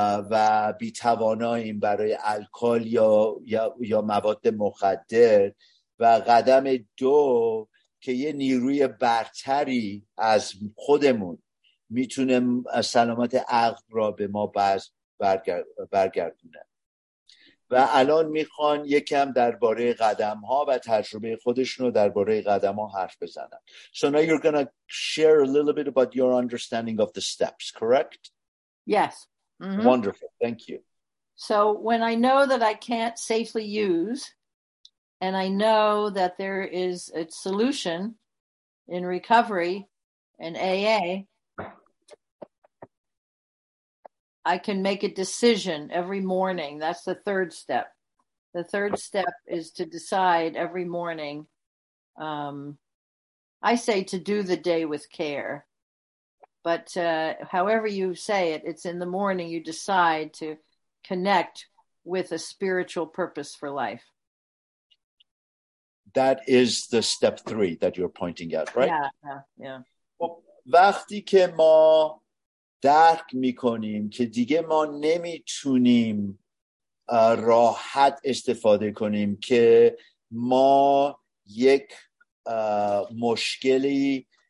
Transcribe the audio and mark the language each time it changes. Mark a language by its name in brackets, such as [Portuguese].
[Persian] و بیتواناییم برای الکل یا مواد مخدر، و قدم 2 که یه نیروی برتری از خودمون میتونه سلامت عقل را به ما برگردونه. و الان میخوان یکم درباره قدم ها و تجربه خودشونو درباره قدم ها حرف بزنن. [English] So now you're going to share a little bit about your understanding of the steps, correct? Yes. Mm-hmm. Wonderful. Thank you. So when I know that I can't safely use, and I know that there is a solution in recovery in AA, I can make a decision every morning. That's the third step. The third step is to decide every morning. I say to do the day with care, but however you say it, it's in the morning you decide to connect with a spiritual purpose for life. That is the step 3 that you're pointing at, right? Yeah. [Persian] وقتی که ما درک میکنیم که دیگه ما نمیتونیم راحت استفاده کنیم، که ما یک مشکلی